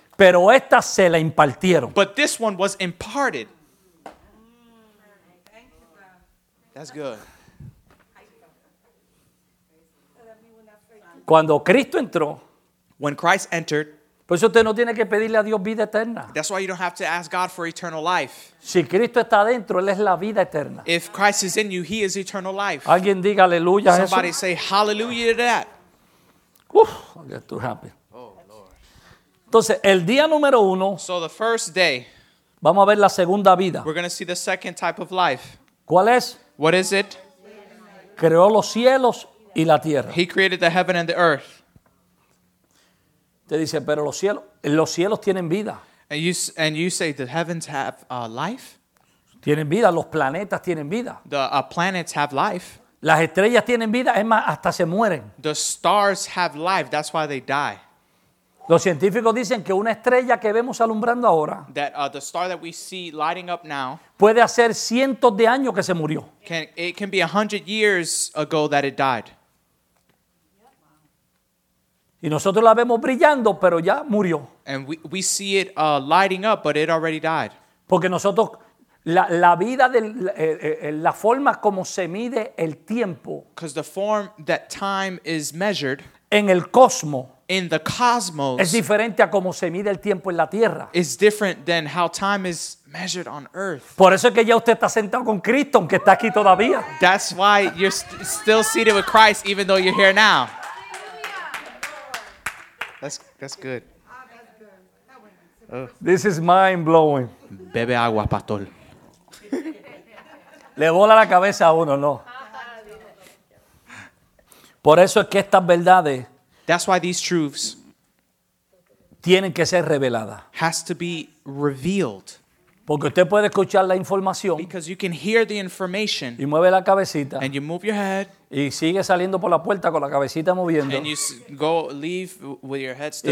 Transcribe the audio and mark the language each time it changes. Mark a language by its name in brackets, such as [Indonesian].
[Spanish] Pero esta se la impartieron. [English] But this one was imparted. That's good. [Spanish] Cuando Cristo entró. [English] When Christ entered. [Spanish] Por eso usted no tiene que pedirle a Dios vida eterna. [English] That's why you don't have to ask God for eternal life. [Spanish] Si Cristo está dentro, Él es la vida eterna. [English] If Christ is in you, He is eternal life. [Spanish] Alguien diga aleluya a eso. [English] Somebody say hallelujah to that. Uf, I'll get too happy. Oh, Lord. [Spanish] Entonces, el día número uno. [English] So the first day. [Spanish] Vamos a ver la segunda vida. [English] We're going to see the second type of life. [Spanish] ¿Cuál es? [English] What is it? [Spanish] Creó los cielos y la tierra. [English] He created the heaven and the earth. [Spanish] Te dice, pero los cielos tienen vida. [English] And you say the heavens have life? [Spanish] Tienen vida, los planetas tienen vida. [English] The planets have life. [Spanish] Las estrellas tienen vida, es más, hasta se mueren. [English] The stars have life, that's why they die. [Spanish] Los científicos dicen que una estrella que vemos alumbrando ahora [English] that, the star that we see lighting up now, [Spanish] puede hacer cientos de años que se murió. [English] It can be 100 years ago that it died. [Spanish] Y nosotros la vemos brillando, pero ya murió. [English] And we see it lighting up, but it already died. [Spanish] Porque nosotros, la vida, la forma como se mide el tiempo. [English] Because the form that time is measured. [Spanish] En el cosmos. [English] In the cosmos. [Spanish] Es diferente a cómo se mide el tiempo en la Tierra. [English] Is different than how time is measured on Earth. [Spanish] Por eso es que ya usted está sentado con Cristo, aunque está aquí todavía. [English] That's why you're still seated with Christ, even though you're here now. That's good. This is mind blowing. [Spanish] Bebe agua, pastor. Le vola la cabeza a uno, no. Por eso es que estas verdades. [English] That's why these truths. [Spanish] Tienen que ser reveladas. [English] Has to be revealed. [Spanish] Porque usted puede escuchar la información. [English] Because you can hear the information. [Spanish] Y mueve la cabecita. [English] And you move your head. [Spanish] Y sigue saliendo por la puerta con la cabecita moviendo. [English] And you go leave with your head still.